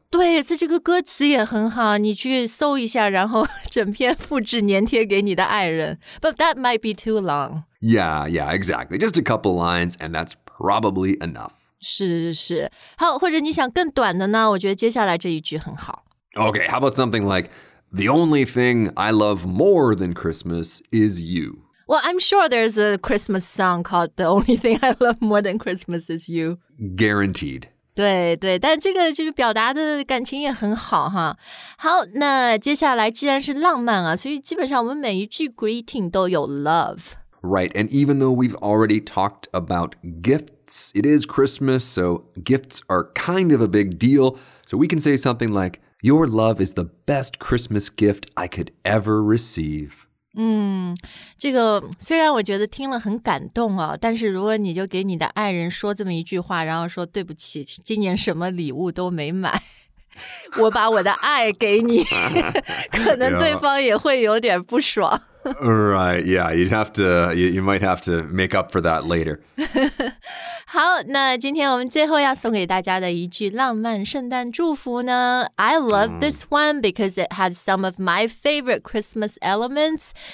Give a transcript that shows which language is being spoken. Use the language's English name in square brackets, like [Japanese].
[Chinese] 对，这个歌词也很好，你去搜一下，然后整篇复制粘贴给你的爱人。 [English] But that might be too long. Yeah, yeah, exactly. Just a couple lines and that's probably enough. [Chinese] 是是是，好，或者你想更短的呢？我觉得接下来这一句很好。 [English] Okay, how about something like, the only thing I love more than Christmas is you? Well, I'm sure there's a Christmas song called The Only Thing I Love More Than Christmas Is You. Guaranteed. [Chinese] 对对，但这个就是表达的感情也很好哈。好，那接下来既然是浪漫啊，所以基本上我们每一句 greeting 都有 love。 [English] Right, and even though we've already talked about gifts, it is Christmas, so gifts are kind of a big deal. So we can say something like, your love is the best Christmas gift I could ever receive. [Chinese] 这个虽然我觉得听了很感动啊，但是如果你就给你的爱人说这么一句话，然后说对不起，今年什么礼物都没买，我把我的爱给你，可能对方也会有点不爽。 [English] Right, yeah, you might have to make up for that later. [Chinese] 好，那今天我们最后要送给大家的一句浪漫圣诞祝福呢 [English] ？I love this one because it has some of my favorite Christmas elements.